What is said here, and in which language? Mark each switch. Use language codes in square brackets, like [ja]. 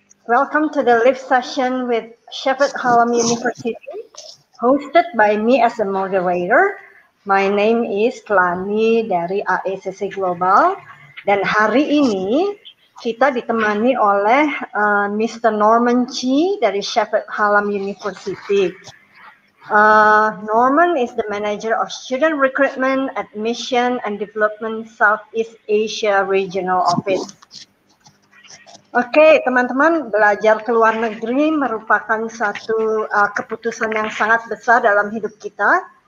[en] Welcome to the live session with Sheffield Hallam University, hosted by me as a moderator. My name is [id] Klani dari AECC Global, dan hari ini kita ditemani oleh Mr. Norman Chi dari Sheffield Hallam University. [en] Norman is the manager of student recruitment, admission, and development Southeast Asia Regional Office. [id] Okay, teman-teman, belajar ke luar negeri merupakan satu keputusan yang sangat besar dalam hidup kita.